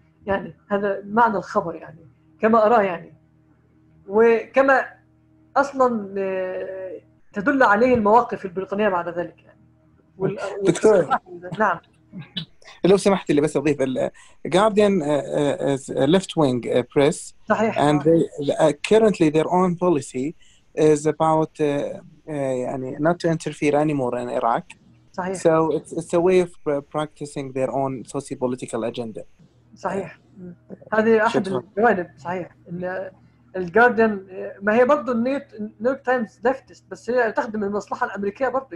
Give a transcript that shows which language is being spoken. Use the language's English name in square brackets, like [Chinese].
[Arabic] يعني هذا معنى الخبر يعني كما اراه، يعني وكما اصلا تدل عليه المواقف البريطانيه بعد ذلك. يعني دكتور نعم لو سمحت لي بس اضيف، [English] Guardian is a left wing press. [Arabic] صحيح. [English] And they currently their own policy is about [Arabic] يعني [English] not to interfere anymore in Iraq. [Arabic] صحيح. [English] So it's a way of practicing their own sociopolitical agenda. [Arabic] صحيح. هذه أحد الجوانب. صحيح. إن الجاردن ما هي برضو نيويورك تايمز ليفتست، بس هي تخدم المصلحة الأمريكية برضو.